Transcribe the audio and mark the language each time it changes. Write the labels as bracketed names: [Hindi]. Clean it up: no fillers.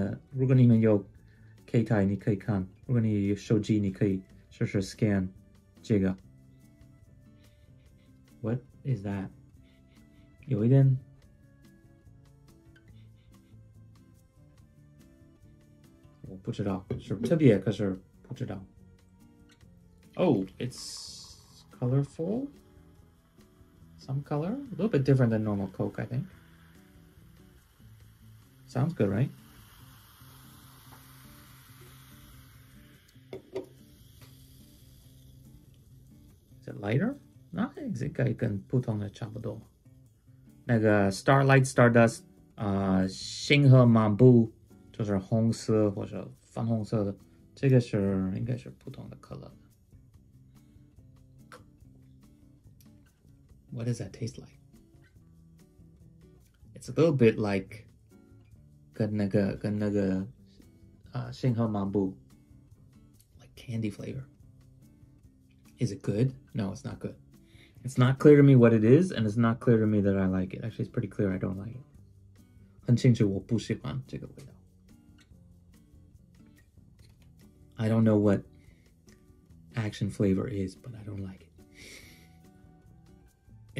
[Chinese] 如果你们有携带，你可以看；如果你有手机，你可以试试 scan 这个。 [English] What is that？ [Chinese] 有一点。我不知道是特别，可是不知道。 [English] Oh, it's colorful. Some color, a little bit different than normal Coke, I think. Sounds good, right? Is it lighter? No, I think it's like [Chinese] 跟普通的差不多。那个 [English] Starlight Stardust, 星河漫步。 [Chinese] 就是红色或者粉红色的，这个是应该是普通的可乐。 [English] What does that taste like? It's a little bit like [Chinese] 跟那个星河漫步 [English] like candy flavor. Is it good? No, it's not good. It's not clear to me what it is, and it's not clear to me that I like it. Actually, it's pretty clear I don't like it. [Chinese] 很清楚我不喜欢这个味道。 [English] I don't know what action flavor is, but I don't like it.